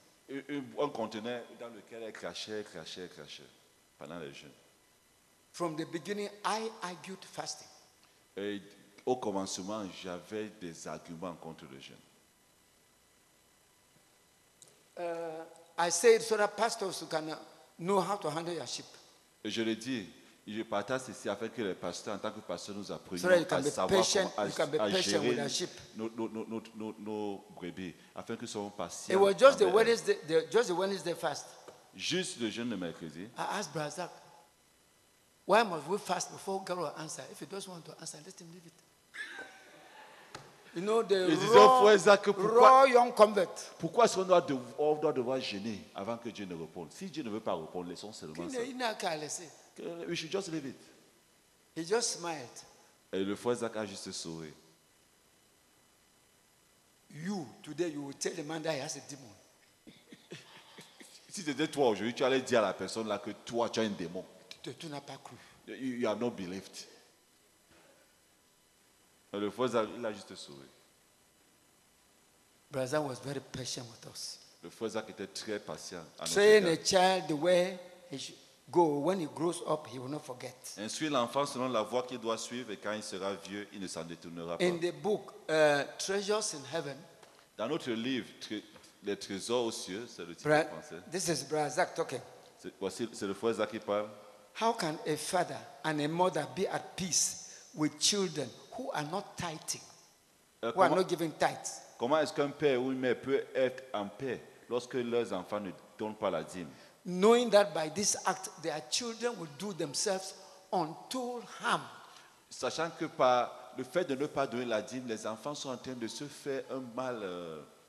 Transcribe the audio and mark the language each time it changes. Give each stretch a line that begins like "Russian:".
French: Un conteneur dans lequel elle crachait pendant les jeûnes.
English: From the beginning, I argued fasting.
French: Et au commencement, j'avais des arguments contre le jeûne.
English: I said so that pastors can know how to handle your sheep.
French: Et je le dis, je partage ceci afin que les pasteurs, en tant que pasteurs, nous apprenions à savoir comment gérer nos brebis, afin que soient patients.
English: It was just the Wednesday fast.
French: Juste le jeûne de mercredi.
English: I asked Brazak. Why must we fast before God will answer? If he doesn't want to answer, let him leave it. You know, the raw young convert.
French: Pourquoi est-ce qu'on doit devoir jeûner avant que Dieu ne réponde? Si Dieu ne veut pas répondre, laissons seulement ça. Il n'a qu'à laisser.
English: We should just leave it. He just smiled.
French: Et le frère Zach a juste souri.
English: You, today, you will tell the man that he has a demon.
French: Si c'était toi aujourd'hui, tu allais dire à la personne là que toi, tu as un démon. Tu n'as pas cru.
English: You have not believed.
French: Et le frère Zach, il a juste souri.
English: Brother was very patient with us.
French: Le frère Zach était très patient.
English: Train a child the way he should go. When he grows up, he will not forget.
French: Instruit l'enfant selon la voie qu'il doit suivre et quand il sera vieux, il ne s'en détournera pas.
English: In the book, Treasures in Heaven.
French: Dans notre livre, Les Trésors aux Cieux, c'est le titre français.
English: This is Brother Zach talking.
French: C'est le frère Zach qui parle.
English: How can a father and a mother be at peace with children who are not tithing, who are not giving tithes?
French: Comment est-ce qu'un père ou une mère peut être en paix lorsque leurs enfants ne donnent pas la dîme?
English: Knowing that by this act, their children will do themselves untold harm.
French: Sachant que par le fait de ne pas donner la dîme, les enfants sont en train de se faire un mal.